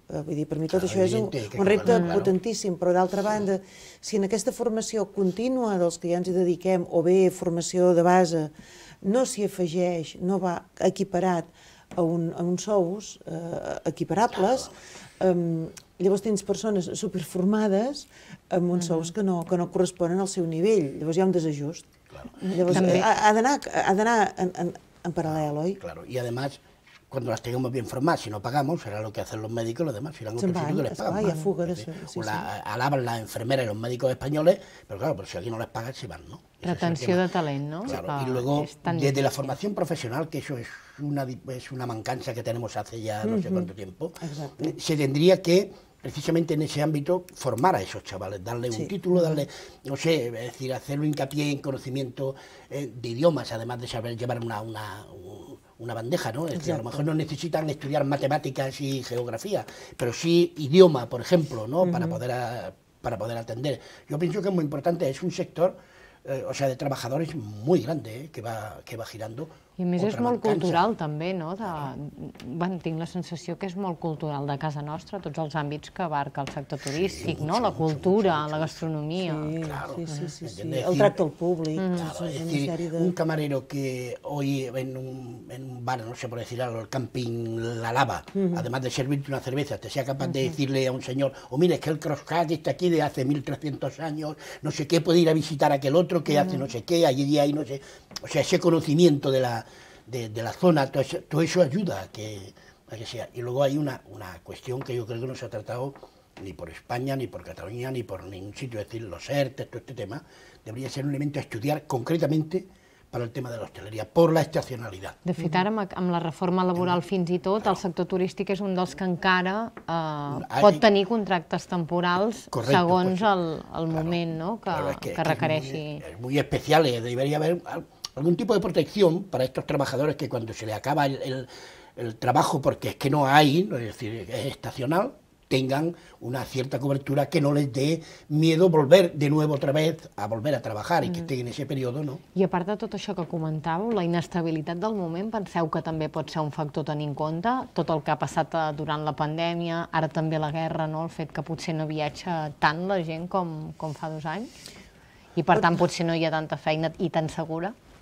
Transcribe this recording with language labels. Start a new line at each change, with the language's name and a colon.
Catalan: Vull dir, per mi tot això és un repte potentíssim, però d'altra banda, si en aquesta formació contínua dels que ja ens hi dediquem o bé formació de base no s'hi afegeix, no va equiparat a uns sous equiparables, llavors tens persones superformades amb uns sous que no corresponen al seu nivell. Llavors hi ha un desajust. Llavors, també... ha d'anar en paral·lel, oi?
Spanish: Claro, y además, cuando las tengamos bien formadas, si no pagamos, será lo que hacen los médicos, los demás, si eran otros sitios que les pagan. Ay, a fuga de eso. Sí, alaban las enfermeras y los médicos españoles, pero claro, pero si aquí no les pagan, se van, ¿no? Retención de talent, ¿no? Claro, y luego, desde la formación profesional, que eso es una mancancia que tenemos hace ya no sé cuánto tiempo, se tendría que, precisamente en ese ámbito, formar a esos chavales, darle un título, darle, no sé, es decir, hacerle hincapié en conocimiento de idiomas, además de saber llevar una bandeja, ¿no? Es decir, a lo mejor no necesitan estudiar matemáticas y geografía, pero sí idioma, por ejemplo, ¿no? Para poder atender. Yo pienso que es muy importante, es un sector, o sea, de trabajadores muy grande, que va girando.
Catalan: I a més és molt cultural, també, no? Bueno, tinc la sensació que és molt cultural de casa nostra, tots els àmbits que abarca el sector turístic, no? La cultura, la gastronomia... Sí, el tracte al públic...
Spanish: Un camarero que hoy en un bar, no sé por decir, al camping La Lava, además de servirte una cerveza, te sea capaz de decirle a un señor, o mire, es que el croscat está aquí de hace 1300 años, no sé qué, puede ir a visitar aquel otro que hace no sé qué, allí hay no sé... O sea, ese conocimiento de la zona, todo eso ayuda a que sea. Y luego hay una cuestión que yo creo que no se ha tratado ni por España, ni por Cataluña, ni por ningún sitio, es decir, los ERTE, todo este tema, debería ser un elemento a estudiar concretamente para el tema de la hostelería, por la estacionalidad.
Catalan: De fet, ara, amb la reforma laboral fins i tot, el sector turístic és un dels que encara pot tenir contractes temporals segons el moment que requereixi.
Spanish: És muy especial, debería haber... algún tipo de protección para estos trabajadores que cuando se le acaba el trabajo, porque es que no hay, es decir, es estacional, tengan una cierta cobertura que no les dé miedo volver de nuevo otra vez a volver a trabajar y que estén en ese periodo, ¿no?
Catalan: I a part de tot això que comentàveu, la inestabilitat del moment, penseu que també pot ser un factor tenint en compte tot el que ha passat durant la pandèmia, ara també la guerra, no? El fet que potser no viatja tant la gent com fa dos anys i per tant potser no hi ha tanta feina i tan segura.